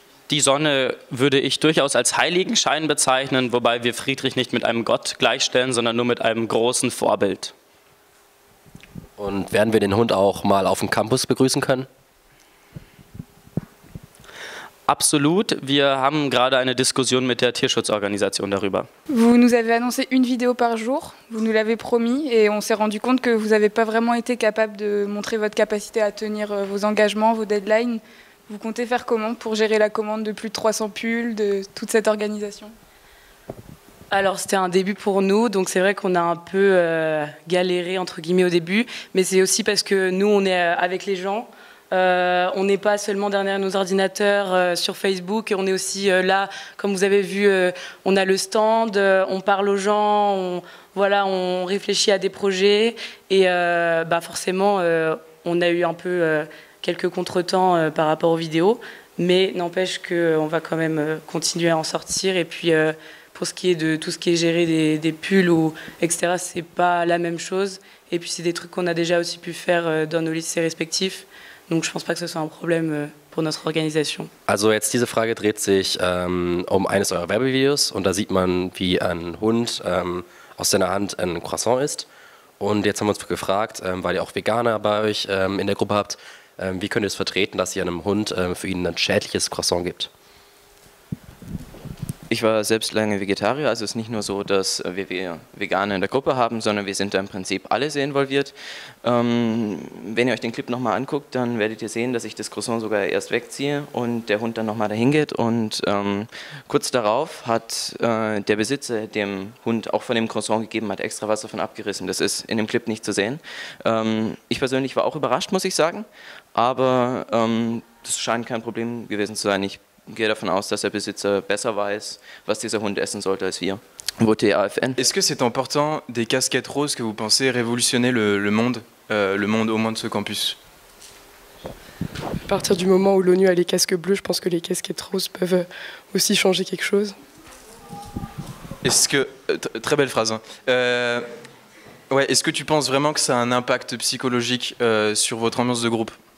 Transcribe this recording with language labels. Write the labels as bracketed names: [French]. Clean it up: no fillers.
[German] Die Sonne würde ich durchaus als Heiligenschein bezeichnen, wobei wir Friedrich nicht mit einem Gott gleichstellen, sondern nur mit einem großen Vorbild. Und werden wir den Hund auch mal auf dem Campus begrüßen können? Absolut. Wir haben gerade eine Diskussion mit der Tierschutzorganisation darüber. [French] Vous nous avez annoncé une vidéo par jour, vous nous l'avez promis et on s'est rendu compte que vous n'avez pas vraiment été capable de montrer votre capacité à tenir vos engagements, vos deadlines. Vous comptez faire comment pour gérer la commande de plus de 300 pulls de toute cette organisation? Alors c'était un début pour nous, donc c'est vrai qu'on a un peu galéré entre guillemets au début, mais c'est aussi parce que nous on est avec les gens, on n'est pas seulement derrière nos ordinateurs sur Facebook, on est aussi là, comme vous avez vu, on a le stand, on parle aux gens, on réfléchit à des projets et forcément on a eu un peu quelques contretemps par rapport aux vidéos, mais n'empêche qu'on va quand même continuer à en sortir. Et puis pour ce qui est de tout ce qui est géré des pulls ou etc., c'est pas la même chose. Et puis c'est des trucs qu'on a déjà aussi pu faire dans nos lycées respectifs, Donc je pense pas que ce soit un problème pour notre organisation. [German] Also jetzt diese Frage dreht sich um eines eurer Werbevideos und da sieht man, wie ein Hund aus seiner Hand ein Croissant isst. Und jetzt haben wir uns gefragt, weil ihr auch Veganer bei euch in der Gruppe habt, wie könnt ihr es vertreten, dass ihr einem Hund für ihn ein schädliches Croissant gibt? Ich war selbst lange Vegetarier, also es ist nicht nur so, dass wir Veganer in der Gruppe haben, sondern wir sind da im Prinzip alle sehr involviert. Wenn ihr euch den Clip nochmal anguckt, dann werdet ihr sehen, dass ich das Croissant sogar erst wegziehe und der Hund dann nochmal dahin geht. Und kurz darauf hat der Besitzer dem Hund auch von dem Croissant gegeben, hat extra was davon abgerissen. Das ist in dem Clip nicht zu sehen. Ich persönlich war auch überrascht, muss ich sagen, aber das scheint kein Problem gewesen zu sein. Ich gehe davon aus, dass der Besitzer besser weiß, was dieser Hund essen sollte als wir. [French] Votez AFN. Est-ce que c'est important des casquettes roses que vous pensez révolutionner le monde au moins de ce campus? À partir du moment où l'ONU a les casques bleus, je pense que les casquettes roses peuvent aussi changer quelque chose. Est-ce que très belle phrase. Ouais, est-ce que tu penses vraiment que ça a un impact psychologique sur votre ambiance de groupe?